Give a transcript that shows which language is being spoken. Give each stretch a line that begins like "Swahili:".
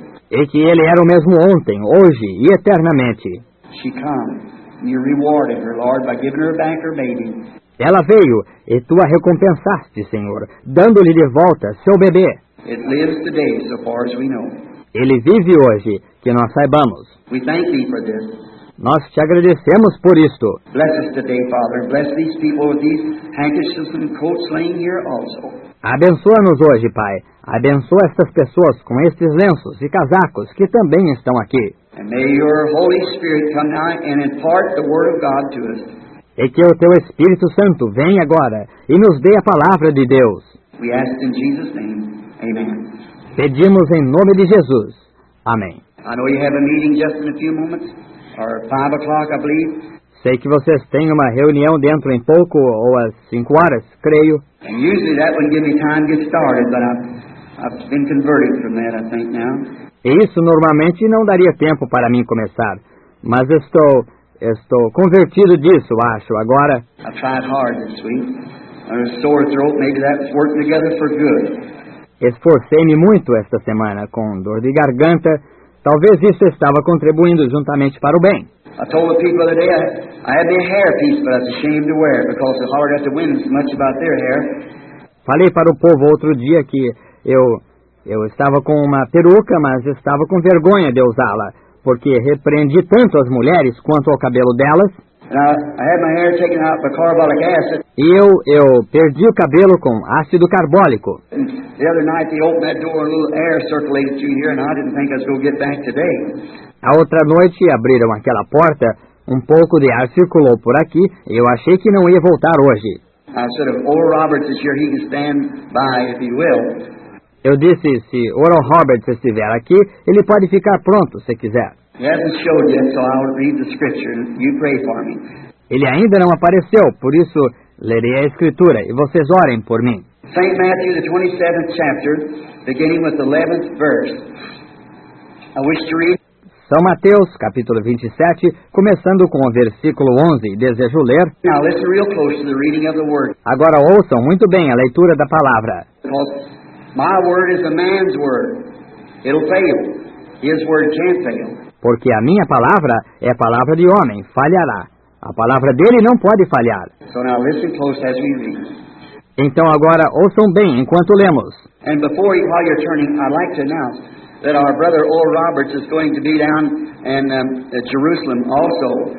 Portuguese: E que ele era o mesmo ontem, hoje e eternamente.
English: She came. You rewarded her, Lord, by giving her back her baby.
Portuguese: Ela veio e tu a recompensaste, Senhor, dando-lhe de volta seu bebê.
English: It lives today, so far as we know.
Portuguese: Ele vive hoje, que nós saibamos.
English: We thank thee for this.
Portuguese: Nós te agradecemos por isto.
English: Bless us today, Father. Bless these people with these handkerchiefs and coats laying here also.
Portuguese: Abençoa-nos hoje, Pai. Abençoa estas pessoas com estes lenços e casacos que também estão aqui.
English: And may your Holy Spirit come now and impart the word of God to us.
Portuguese: E que o teu Espírito Santo venha agora e nos dê a palavra de Deus.
English: We ask in Jesus' name. Amen.
Portuguese: Pedimos em nome de Jesus. Amém.
English: I know you have a meeting just in a few moments, or 5 o'clock, I believe.
Portuguese: Sei que vocês têm uma reunião dentro em pouco, ou às 5 horas, creio.
English: And usually that would give me time to get started, but I've been converted from that, I think, now.
Portuguese: E isso normalmente não daria tempo para mim começar, mas estou convertido disso, acho, agora.
English: I tried hard this week. I had a sore throat, maybe that was working together for good.
Portuguese: Esforcei-me muito esta semana com dor de garganta. Talvez isso estava contribuindo juntamente para o bem.
English: I told the people the other day I had their hair piece, but I was ashamed to wear it because the hard at the wind is much about their hair.
Portuguese: Falei para o povo outro dia que eu estava com uma peruca, mas estava com vergonha de usá-la, porque repreendi tanto as mulheres quanto ao cabelo delas.
English: I had my hair taken out by carbolic acid.
Portuguese: E eu perdi o cabelo com ácido carbólico.
English: The other night they opened that door, a little air circulated through here, and I didn't think I was going to get back today.
Portuguese: A outra noite abriram aquela porta, um pouco de ar circulou por aqui, e eu achei que não ia voltar hoje.
English: I said, if Oral Roberts is here, he can stand by if he will.
Portuguese: Eu disse, se Oral Roberts estiver aqui, ele pode ficar pronto, se quiser.
English: He hasn't showed yet, so I'll read the scripture, and you pray for me.
Portuguese: Ele ainda não apareceu, por isso, lerei a escritura, e vocês orem por mim.
English: St. Matthew, the 27th chapter, beginning with the 11th verse. I wish to read.
Portuguese: São Mateus, capítulo 27, começando com o versículo 11, desejo ler.
English: Now listen real close to the reading of the word.
Portuguese: Agora ouçam muito bem a leitura da palavra.
English: My word is a man's word. It'll fail. His word can't fail.
Portuguese: Porque a minha palavra é a palavra de homem, falhará. A palavra dele não pode falhar.
English: So now listen close as we read.
Portuguese: Então agora ouçam bem enquanto lemos.
English: And before you, while you're turning, I'd like to announce that our brother Oral Roberts is going to be down in Jerusalem also